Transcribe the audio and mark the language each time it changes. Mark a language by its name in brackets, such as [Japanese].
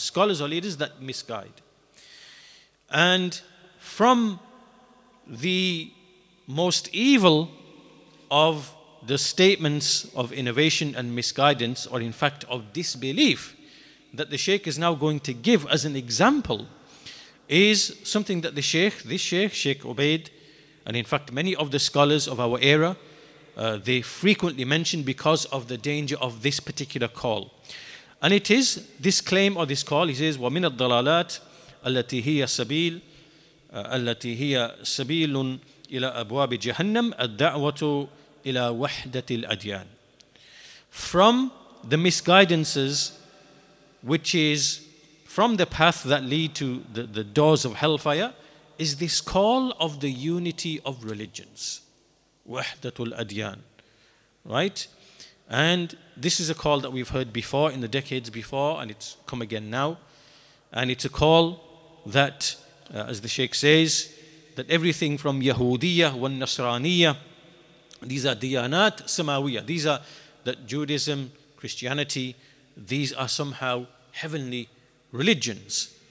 [English] Scholars are leaders that misguide. And from the most evil of the statements of innovation and misguidance, or in fact of disbelief, that the Shaykh is now going to give as an example, is something that the Shaykh, this Shaykh, Shaykh Ubaid, and in fact many of the scholars of our era, they frequently mention because of the danger of this particular call. And it is this claim or this call, he says, [Arabic] وَمِنَ الضَّلَالَاتِ التي هي سبيل التي هي سبيل إلى أبواب جهنم الدعوة إلى وحدة الأديان. [English] From the misguidances, which is from the path that lead to the doors of hellfire, is this call of the unity of religions, وحدة الأديان, right? And this is a call that we've heard before in the decades before, and it's come again now, and it's a call that, as the Shaykh says, that everything from Yahudiyya and Nasraniyya, these are Diyanat Samawiyya, these are that Judaism, Christianity, these are somehow heavenly religions.